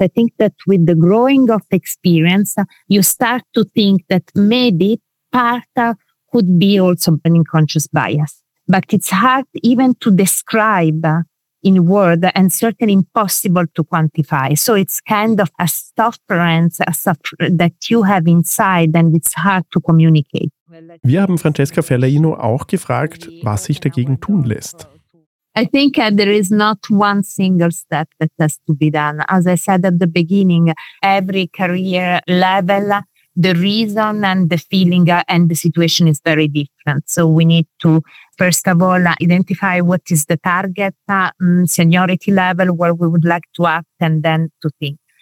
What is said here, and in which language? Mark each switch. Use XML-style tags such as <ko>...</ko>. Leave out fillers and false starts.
<en>I think that with the growing of experience, you start to think that maybe part could be also an unconscious bias. But it's hard even to describe in word and certainly impossible to quantify. So it's kind of a sufferance that you have inside and it's hard to communicate.</en> <de>Wir haben Francesca Fellaino auch gefragt, was sich dagegen tun lässt.</de> <en>I think there is not one single step that has to be done. As I said at the beginning, every career level, the reason and the feeling and the situation is very different. So we need to, first of all, identify what is the target seniority level where we would like to act and then to think.</en>